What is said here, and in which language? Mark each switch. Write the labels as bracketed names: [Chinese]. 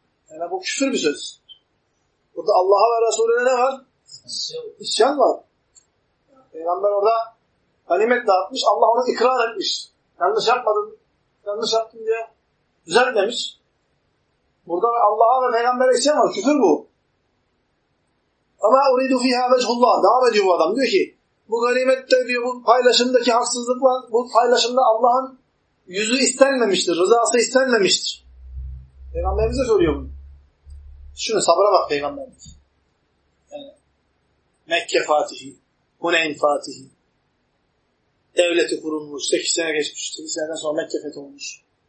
[Turkish] Yani bu küfür bir söz. Burada Allah'a ve Resulüne ne var? İsyan var. Peygamber orada ganimet dağıtmış, Allah onu ikrar etmiş. Yanlış yapmadın, yanlış yaptın diye düzeltmemiş. Burada Allah'a ve Peygamber'e isyan var. Küfür bu. [Arabic] وَمَا اُرِيدُ فِيهَا وَجْهُ اللّٰهِ [Turkish] Devam ediyor bu adam. Diyor ki, bu ganimette diyor, bu paylaşımdaki haksızlıkla, bu paylaşımda Allah'ın yüzü istenmemiştir, rızası istenmemiştir. Peygamberimiz de söylüyor bunu. Şunu sabra bak Peygamberimiz. Yani, Mekke Fatihi, Huneyn Fatihi, devleti kurulmuş, 8 sene geçmiş, 8 seneden sonra Mekke fetholmuş.